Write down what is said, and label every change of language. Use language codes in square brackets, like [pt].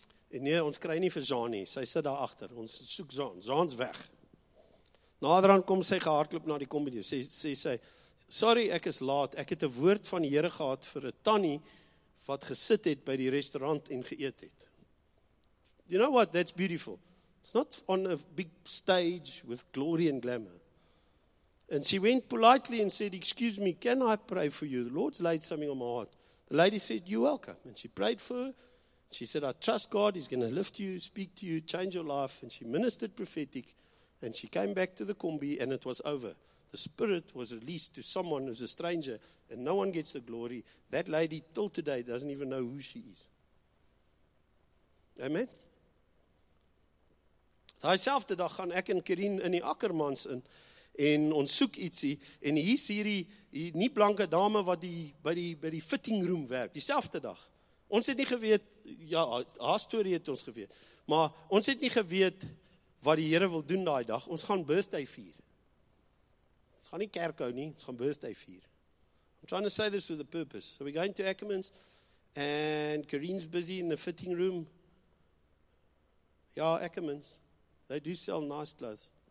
[af] En nee, ons kry nie vir Zaan nie. Sy sit daar agter. Ons soek Zaan. Zaan's weg. Naderhand kom sy gehardloop na die kombi. Sy sê, sorry, ek is laat. Ek het 'n woord van die Here gehad vir 'n tannie wat gesit het by die restaurant en geëet het. [en] You know what? That's beautiful. It's not on a big stage with glory and glamour. And she went politely and said, excuse me, can I pray for you? The Lord's laid something on my heart. The lady said, you're welcome. And she prayed for her. She said, I trust God. He's going to lift you, speak to you, change your life. And she ministered prophetic. And she came back to the kombi and it was over. The Spirit was released to someone who's a stranger and no one gets the glory. That lady till today doesn't even know who she is. Amen. [af] Daai selfde dag gaan ek en Karin in die Akkermans in en ons soek ietsie, en hier is hierdie nie blanke dame wat by die fitting room werk, dieselfde dag. Ons het nie geweet, ja, haar story het ons geweet, maar ons het nie geweet wat die Here wil doen daai dag, ons gaan birthday vier. Ons gaan nie kerk hou nie, ons gaan birthday vier. [en] I'm trying to say this with a purpose. So we're going to Ackerman's, and Corrine's busy in the fitting room. Ja, Ackerman's, they do sell nice clothes.